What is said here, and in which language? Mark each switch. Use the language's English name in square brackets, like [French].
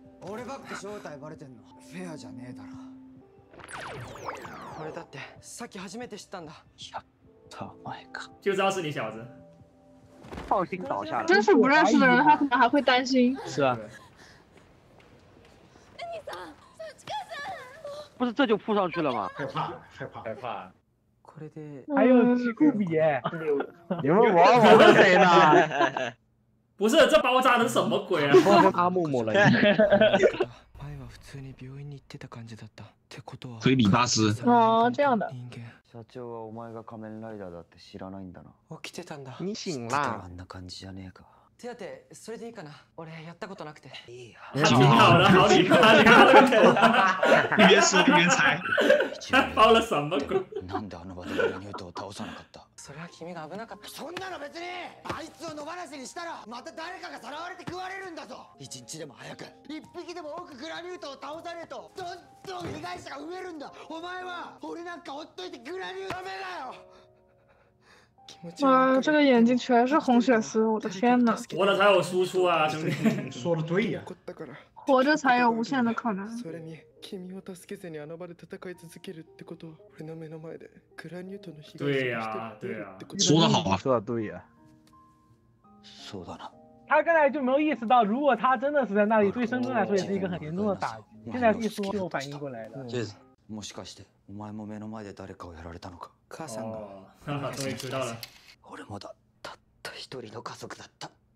[Japanese] 俺ばっか正体バレてんの。フェアじゃねえだろ。これだってさっき初めて知ったんだ。やった、 [Chinese] マイカ。就知道是你小子。放心倒下了。真是不认识的人，他可能还会担心。是啊。不是这就扑上去了吗？害怕，害怕，害怕。 [Japanese] これで [Chinese] 还有吉库比耶。你们玩我们谁呢？不是，这把我扎成什么鬼啊？换成阿木木了。 [Japanese] 普通に病院に行ってた感じだった。ってことは。それ理髪師。ああ、 [Chinese] 这样的。 [Japanese] 人間。社長はお前が仮面ライダーだって知らないんだな。起きてたんだ。ニシンラ。あんな感じじゃねえか。手当てそれでいいかな。俺やったことなくて。いいや。 [Chinese] 好的，好的，你看这个。一边说一边猜。包了什么鬼？ [Japanese] なんであの場でミニュートを倒さなかった？それは君が危なかった。そんなの別に、あいつを野放しにしたら、また誰かがさらわれて食われるんだぞ。一日でも早く、一匹でも多くグラニュートを倒されると、どんどん被害者が増えるんだ。お前は、俺なんか放っといてグラニュートダメだよ。 [Chinese] 哇，这个眼睛全是红血丝，我的天哪！活着才有输出啊，兄弟，说的对呀、啊，活着才有无限的可能。 [Japanese] それに君を助けずにあの場で戦い続けるってこと、俺の目の前でグラニュートの被害者が増えるってこと。 [Chinese] 说的好啊，说的对呀、啊， [Japanese] そうだな。 [Chinese] 他刚才就没有意识到，如果他真的死在那里，对深圳来说也是一个很严重的打击。现在一说，又反应过来了。 [Japanese] ジェズ、もしかしてお前も目の前で誰かをやられたのか？母さんが。ああ、 [Chinese] 终于知道了。 [Japanese] 俺もだ、たった一人の家族だった。